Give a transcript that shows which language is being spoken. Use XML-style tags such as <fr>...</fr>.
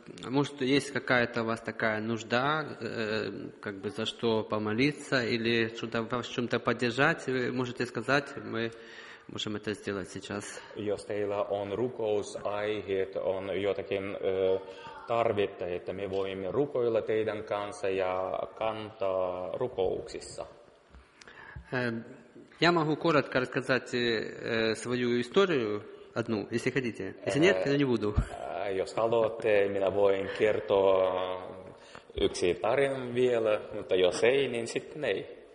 <ru>Может, есть какая-то у вас такая нужда, как бы за что помолиться или что-то вас чем-то поддержать, вы можете сказать, мы можем это сделать сейчас.</ru> <fi>Jos teillä on rukousaiheet, on jotakin tarvetta, että me voimme rukoilla teidän kanssa ja kantaa rukouksissa.</fi> <ru>Я могу коротко рассказать свою историю. Одну, если хотите. Если нет, я не буду.</ru> <fi>Jos haluatte, minä voin kertoa yksi tarina vielä, mutta jos ei, niin sitten ei.</fi>